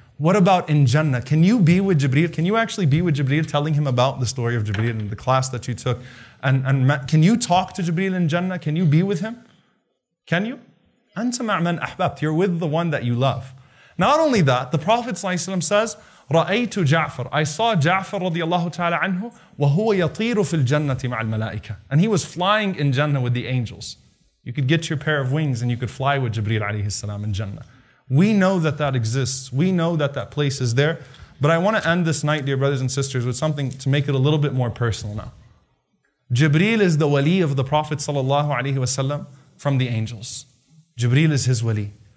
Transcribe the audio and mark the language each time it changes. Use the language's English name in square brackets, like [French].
[English] What about in Jannah? Can you be with Jibreel? Can you actually be with Jibreel, telling him about the story of Jibreel and the class that you took? And can you talk to Jibreel in Jannah? Can you be with him? Can you? [Arabic] أَنْتَ مَعْ مَنْ أَحْبَبْتِ. [English] You're with the one that you love. Not only that, the Prophet ﷺ says, [Arabic] رَأَيْتُ جَعْفَر. [English] I saw Ja'far [Arabic] رضي الله تعالى عنه وَهُوَ يَطِيرُ فِي الْجَنَّةِ مَعَ الْمَلَائِكَةِ. [English] And he was flying in Jannah with the angels. You could get your pair of wings and you could fly with Jibreel عليه السلام in Jannah. We know that that exists. We know that that place is there. But I want to end this night, dear brothers and sisters, with something to make it a little bit more personal now. Jibreel is the wali of the Prophet ﷺ from the angels. Jibreel is his wali.